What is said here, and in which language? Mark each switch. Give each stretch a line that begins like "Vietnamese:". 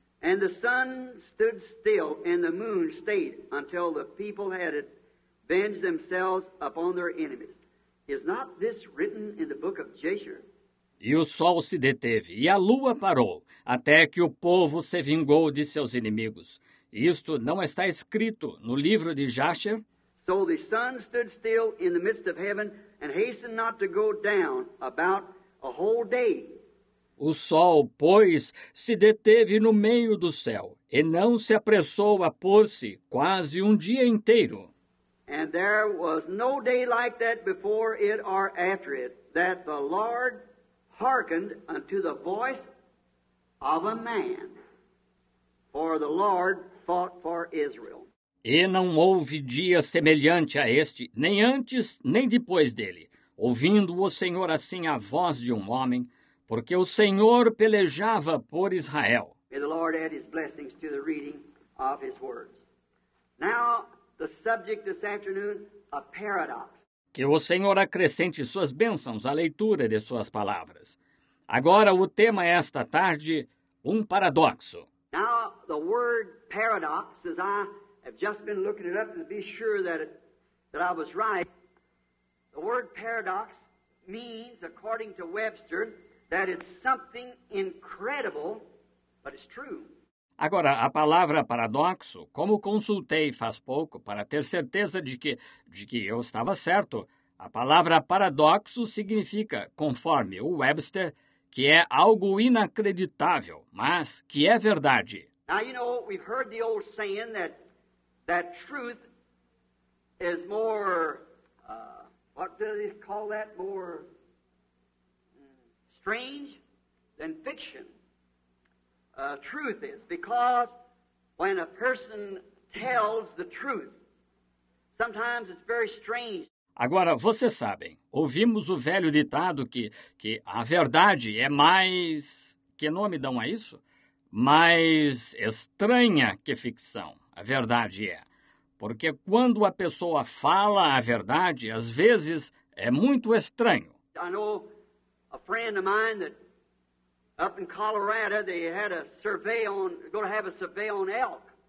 English: And the sun stood still, and the moon stayed until the people had avenged themselves upon their enemies. Is not this written in the book of Jasher?
Portuguese: E o sol se deteve, e a lua parou, até que o povo se vingou de seus inimigos. Isto não está escrito no livro de Jasher?
English: So the sun stood still in the midst of heaven, and hastened not to go down about a whole day.
Portuguese: O sol, pois, se deteve no meio do céu, e não se apressou a pôr-se quase um dia inteiro.
English: And there was no day like that before it or after it, that the Lord hearkened unto the voice of a man, for the Lord fought for Israel.
Portuguese: E não houve dia semelhante a este, nem antes nem depois dele, ouvindo o Senhor assim a voz de um homem, porque o Senhor pelejava por Israel.
English: May the Lord add his blessings to the reading of his words. Now, the subject this afternoon, a paradox.
Portuguese: Que o Senhor acrescente suas bênçãos à leitura de suas palavras. Agora, o tema esta tarde, um paradoxo.
English: Now, the word paradox, as I have just been looking it up to be sure that I was right, the word paradox means, according to Webster, that it's something incredible, but it's true.
Portuguese: Agora, a palavra paradoxo, como consultei faz pouco para ter certeza de que eu estava certo, a palavra paradoxo significa, conforme o Webster, que é algo inacreditável, mas que é verdade.
English: Now, you know, we've heard the old saying that truth is more, what do they call that, more strange than fiction. Truth is, because when a person tells the truth, sometimes it's very strange.
Portuguese: Agora, vocês sabem, ouvimos o velho ditado que a verdade é mais... Que nome dão a isso? Mais estranha que ficção, a verdade é. Porque quando a pessoa fala a verdade, às vezes é muito estranho.
English: I know a friend of mine that up in Colorado, they had a survey on, going to have a survey on elk.